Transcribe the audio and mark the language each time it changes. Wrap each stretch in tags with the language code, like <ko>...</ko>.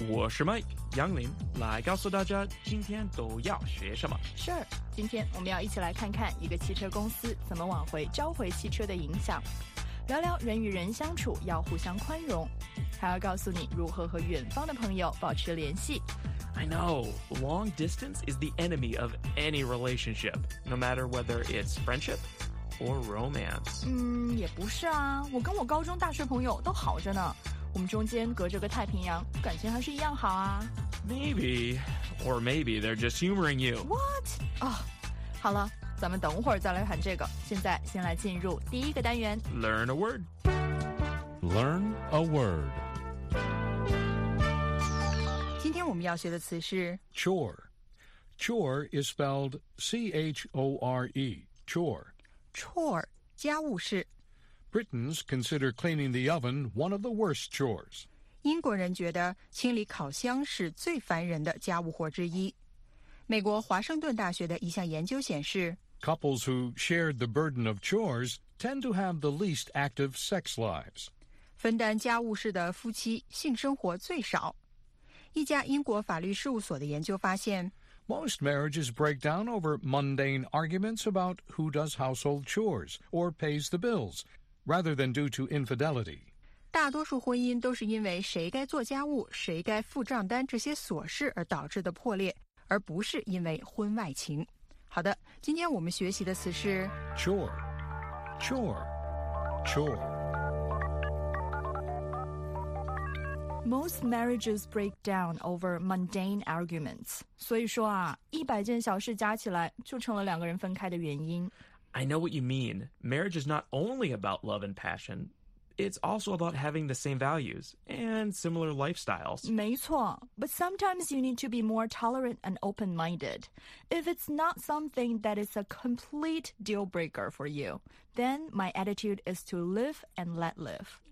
<zh>我是麦杨林，来告诉大家今天都要学什么。 Sure， 今天我们要一起来看看一个汽车公司怎么挽回召回汽车的影响，聊聊人与人相处要互相宽容，还要告诉你如何和远方的朋友保持联系。</zh> <en>I know, long distance is the enemy of any relationship, no matter whether it's friendship or romance.</en> <zh>也不是啊，我跟我高中大学朋友都好着呢，我们中间隔着个太平洋，感情还是一样好啊。</zh> <en>Maybe, or maybe they're just humoring you. What?</en> <zh>好了，咱们等会儿再来谈这个，现在先来进入第一个单元。</zh> <en>Learn a word. Learn a word.</en> <zh>我们要学的词是</zh> <en>chore. Chore is spelled C-H-O-R-E, chore.</en> <zh>Chore, 家务事。</zh> <en>Britons consider cleaning the oven one of the worst chores.</en> <zh>英国人觉得清理烤箱是最烦人的家务活之一。美国华盛顿大学的一项研究显示，</zh> <en>Couples who shared the burden of chores tend to have the least active sex lives.</en> <zh>分担家务事的夫妻性生活最少。一家英国法律事务所的研究发现，</zh> <en>Most marriages break down over mundane arguments about who does household chores or pays the bills, rather than due to infidelity.</en> <zh>大多数婚姻都是因为谁该做家务、谁该付账单这些琐事而导致的破裂，而不是因为婚外情。好的，今天我们学习的词是</zh> <en>chore, chore, chore. Most marriages break down over mundane arguments.</en> <zh>所以说啊，一百件小事加起来就成了两个人分开的原因。</zh> <en>I know what you mean. Marriage is not only about love and passion. It's also about having the same values and similar lifestyles.</en> <zh>没错。</zh> <en>But sometimes you need to be more tolerant and open-minded. If it's not something that is a complete deal-breaker for you, then my attitude is to live and let live.</en>